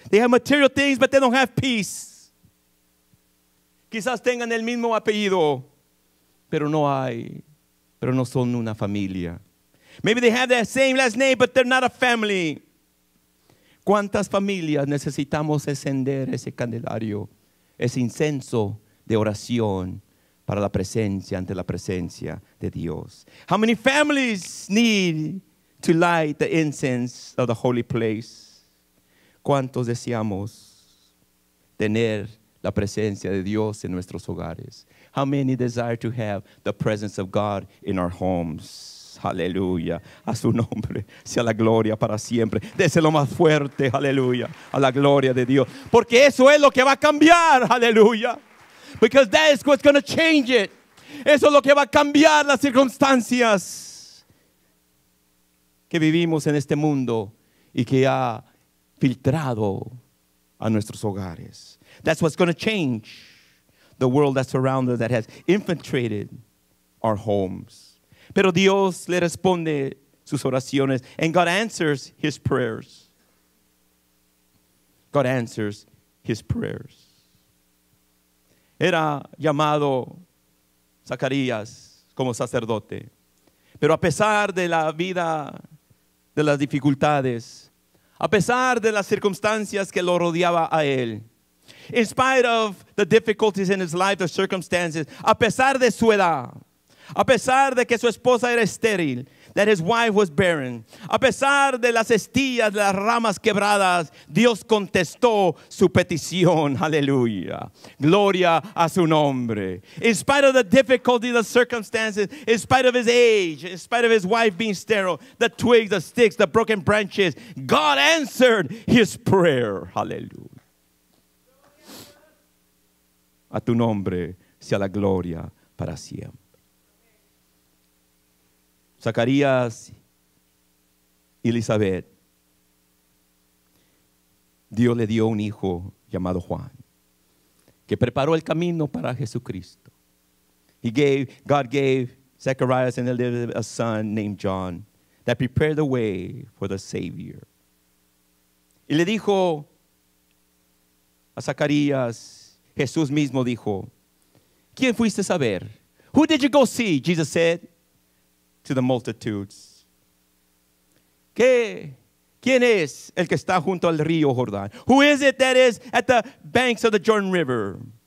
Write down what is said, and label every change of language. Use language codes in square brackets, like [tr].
[en] They have material things, but they don't have peace. [es] Quizás tengan el mismo apellido, pero no hay, pero no son una familia. [en] Maybe they have that same last name, but they're not a family. [es] ¿Cuántas familias necesitamos encender ese candelario, ese incenso de oración para la presencia, ante la presencia de Dios? [en] How many families need to light the incense of the holy place? [es] ¿Cuántos deseamos tener la presencia de Dios en nuestros hogares? [en] How many desire to have the presence of God in our homes? [es] Aleluya. A su nombre sea la gloria para siempre. Déselo más fuerte. Aleluya. A la gloria de Dios. Porque eso es lo que va a cambiar. Aleluya. [en] Because that is what's going to change it. [es] Eso es lo que va a cambiar las circunstancias que vivimos en este mundo y que ha filtrado a nuestros hogares. [en] That's what's going to change the world that's around us, that has infiltrated our homes. [es] Pero Dios le responde sus oraciones, [en] and God answers his prayers. God answers his prayers. [es] Era llamado Zacarías como sacerdote, pero a pesar de la vida, de las dificultades, a pesar de las circunstancias que lo rodeaba a él. [en] In spite of the difficulties in his life, the circumstances, [es] a pesar de su edad, a pesar de que su esposa era estéril, [en] that his wife was barren, [es] a pesar de las estillas, las ramas quebradas, Dios contestó su petición. Aleluya. Gloria a su nombre. [en] In spite of the difficulty, the circumstances, in spite of his age, in spite of his wife being sterile, the twigs, the sticks, the broken branches, God answered his prayer. [es] Aleluya. A tu nombre sea la gloria para siempre. Zacarías y Elizabeth, Dios le dio un hijo llamado Juan, que preparó el camino para Jesucristo. [en] God gave Zacarías and Elizabeth a son named John that prepared the way for the Savior. [es] Y le dijo a Zacarías, Jesús mismo dijo, ¿quién fuiste a ver? [en] Who did you go see? Jesus said to the multitudes. [es] ¿Qué? ¿Quién es el que está junto al río Jordán? [en] Who is it that is at the banks of the Jordan River?